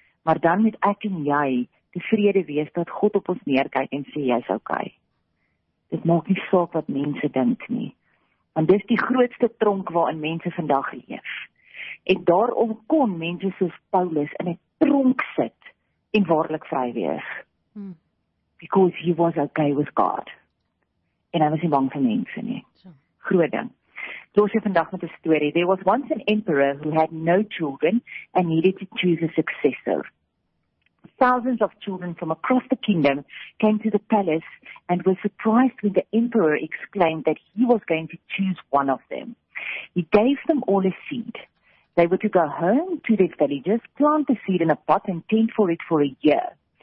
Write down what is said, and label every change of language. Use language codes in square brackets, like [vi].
[af] Maar dan moet ek en jy tevrede wees, dat God op ons neerkyk en sê, jy is okay. Dit maak nie saak wat mense dink nie. Want dit is die grootste tronk waarin mense vandag leef. En daarom kon mense soos Paulus in 'n tronk sit en waarlik vry wees. [en] Because he was okay with God. [af] En hy was nie bang vir mense nie. Groot ding. Los jy vandag met 'n story. [en] There was once an emperor who had no children and needed to choose a successor. thousands of children from across the kingdom came to the palace and were surprised when the emperor exclaimed that he was going to choose one of them. He gave them all a seed. They were to go home to their villages, plant the seed in a pot, and tend for it for a year.